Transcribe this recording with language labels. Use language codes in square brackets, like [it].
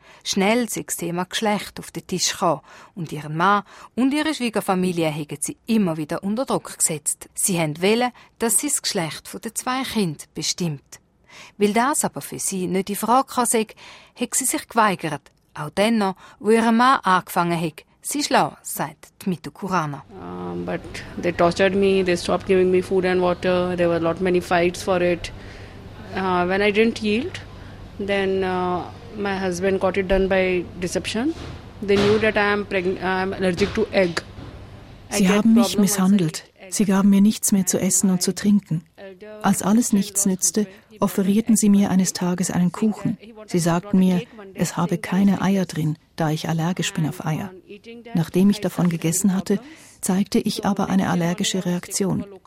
[de] Schnell sei das Thema Geschlecht auf den Tisch gekommen. Und ihren Mann und ihre Schwiegerfamilie haben sie immer wieder unter Druck gesetzt. Sie haben wollen, dass sie das Geschlecht der zwei Kinder bestimmt. Weil das aber für sie nicht in Frage sei, hat sie sich geweigert. Auch dann noch, wo ihr Mann angefangen hat. Sie schlau, sagt Mitu Kurana. [en] But they tortured me, they stopped giving me food and water, there were lot many fights for it. When I didn't yield, then my husband got it done by deception. They knew that I am I'm allergic to egg. [de] Sie haben mich misshandelt. Sie gaben mir nichts mehr zu essen und zu trinken. Als alles nichts nützte, offerierten sie mir eines Tages einen Kuchen. Sie sagten mir, es habe keine Eier drin, da ich allergisch bin auf Eier. Nachdem ich davon gegessen hatte, zeigte ich aber eine allergische Reaktion.